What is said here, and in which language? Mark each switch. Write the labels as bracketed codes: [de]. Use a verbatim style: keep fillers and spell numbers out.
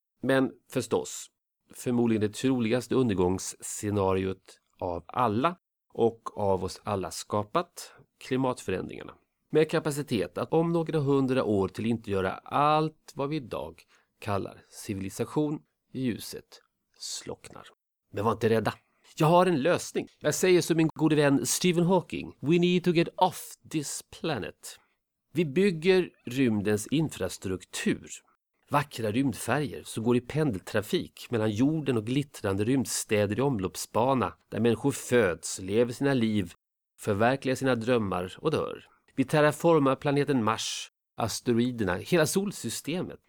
[sv] Men förstås, förmodligen det troligaste undergångsscenariot av alla och av oss alla skapat, klimatförändringarna. Med kapacitet att om några hundra år till inte göra allt vad vi idag kallar civilisation, ljuset slocknar. Men var inte rädda. Jag har en lösning. Jag säger som min gode vän Stephen Hawking. [en] We need to get off this planet. [sv] Vi bygger rymdens infrastruktur. Vackra rymdfärger som går i pendeltrafik mellan jorden och glittrande rymdstäder i omloppsbana där människor föds, lever sina liv, förverkligar sina drömmar och dör. Vi terraformar planeten Mars, asteroiderna, hela solsystemet.